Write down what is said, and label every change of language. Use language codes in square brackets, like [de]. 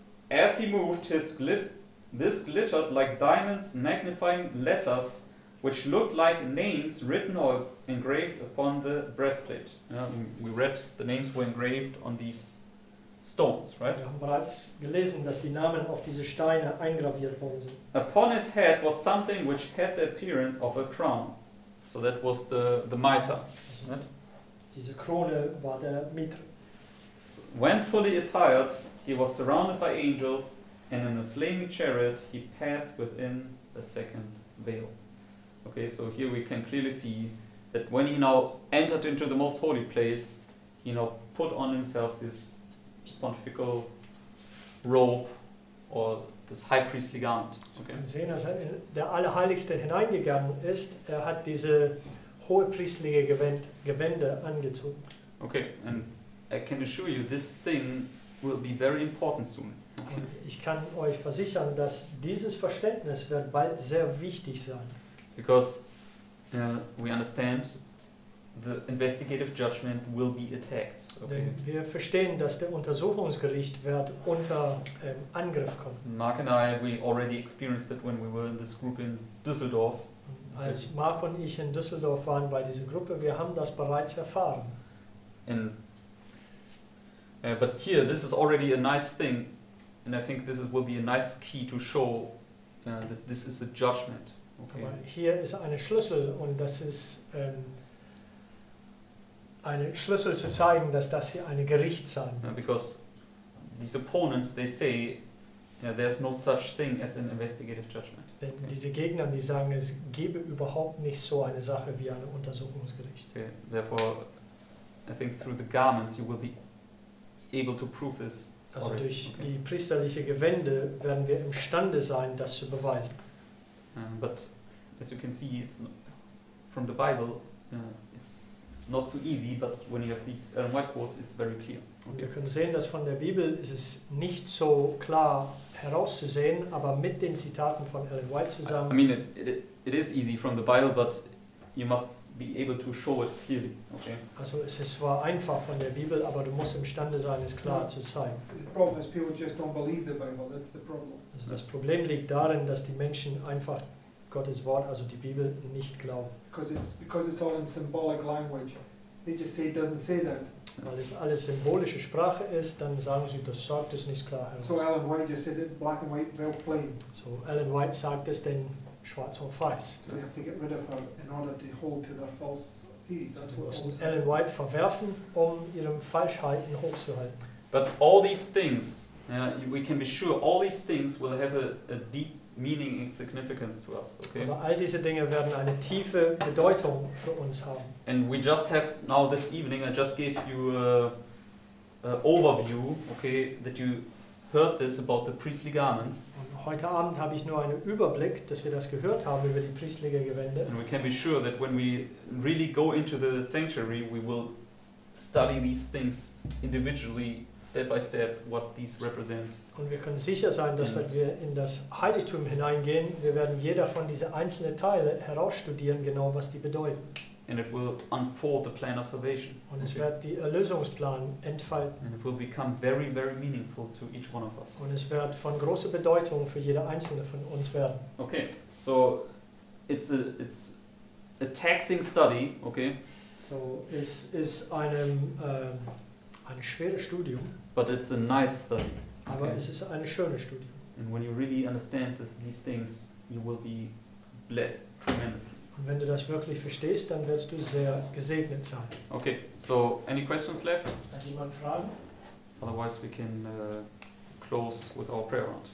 [en] As he moved his lip. This glittered like diamonds magnifying letters which looked like names written or engraved upon the breastplate. We read the names were engraved on these stones, right? [de] Wir haben bereits gelesen, dass die Namen auf diese Steine eingraviert worden sind. [en] Upon his head was something which had the appearance of a crown. So that was the mitre, right? [de] Diese Krone war der Mitre. [en] So when fully attired, he was surrounded by angels. And in a flaming chariot, he passed within the second veil. Okay, so here we can clearly see that when he now entered into the most holy place, he now put on himself this pontifical robe or this high priestly garment. Okay. [de] Wir sehen, dass er in der Allerheiligste hineingegangen ist. Er hat diese hohe priestliche Gewänder angezogen. [en] Okay, and I can assure you, this thing will be very important soon. [de] Und ich kann euch versichern, dass dieses Verständnis wird bald sehr wichtig sein. [en] Because we understand the investigative judgment will be attacked. Okay. [de] Denn wir verstehen, dass der Untersuchungsgericht wird unter Angriff kommen. [en] Mark and I, we already experienced it when we were in this group in Düsseldorf. [de] Als Mark und ich in Düsseldorf waren bei dieser Gruppe, wir haben das bereits erfahren. [en] But here, this is already a nice thing. And I think this will be a nice key to show that this is a judgment. Okay. [de] Aber hier ist eine Schlüssel und das ist eine Schlüssel zu zeigen, dass das hier eine Gericht sein wird. [en] Because these opponents, they say, there's no such thing as an investigative judgment. Okay. [de] Diese Gegner, die sagen, es gebe überhaupt nicht so eine Sache wie ein Untersuchungsgericht. [en] Okay. Therefore, I think through the garments you will be able to prove this. [de] Also durch die priesterliche Gewände werden wir imstande sein, das zu beweisen. [en] But as you can see, it's from the Bible, it's not so easy, but when you have these white quotes, it's very clear. Okay. [de] Wir können sehen, dass von der Bibel ist es nicht so klar herauszusehen, aber mit den Zitaten von Ellen White zusammen. [en] I mean, it is easy from the Bible, but you must be able to show it clearly. Okay. [de] Also es ist zwar einfach von der Bibel, aber du musst imstande sein, es klar zu zeigen. [en] The problem is people just don't believe the Bible. That's the problem. [de] Also das Problem liegt darin, dass die Menschen einfach Gottes Wort, also die Bibel, nicht glauben. [en] Because it's all in symbolic language. They just say it doesn't say that. [de] Weil es alles symbolische Sprache ist, dann sagen sie, das sagt es nicht klar heraus. [en] So Ellen White just says it black and white, very plain. [de] So Ellen White sagt es denn schwarz und weiß. [en] So they have to get rid of her in order to hold to their false theories. [de] Sie müssen Ellen White verwerfen, um ihrem Falschheiten hochzuhalten. [en] But all these things, we can be sure, all these things will have a deep meaning and significance to us. Okay. [de] Aber all diese Dinge werden eine tiefe Bedeutung für uns haben. [en] And we just have now this evening. I just gave you an overview. Okay, that you heard this about the priestly garments. [de] Und heute Abend habe ich nur einen Überblick, dass wir das gehört haben über die priestliche Gewände. [en] And we can be sure that when we really go into the sanctuary, we will study these things individually. Step by step, what these represent. [de] Und wir können sicher sein, dass wenn wir in das Heiligtum hineingehen, wir werden jeder von diese einzelnen Teile herausstudieren, genau was die bedeuten. [en] And it will unfold the plan of salvation. [de] Und es wird die Erlösungsplan entfalten. [en] And it will become very, very meaningful to each one of us. [de] Und es wird von großer Bedeutung für jeder einzelne von uns werden. [en] Okay, so it's a taxing study, okay? [de] So es ist einem ein schweres Studium. [en] But it's a nice study. [de] Aber es ist ein schönes Studium. [en] And when you really understand these things, you will be blessed tremendously. [de] Und wenn du das wirklich verstehst, dann wirst du sehr gesegnet sein. [en] Okay, so any questions left? [de] Hat jemand Fragen? [en] Otherwise we can close with our prayer round.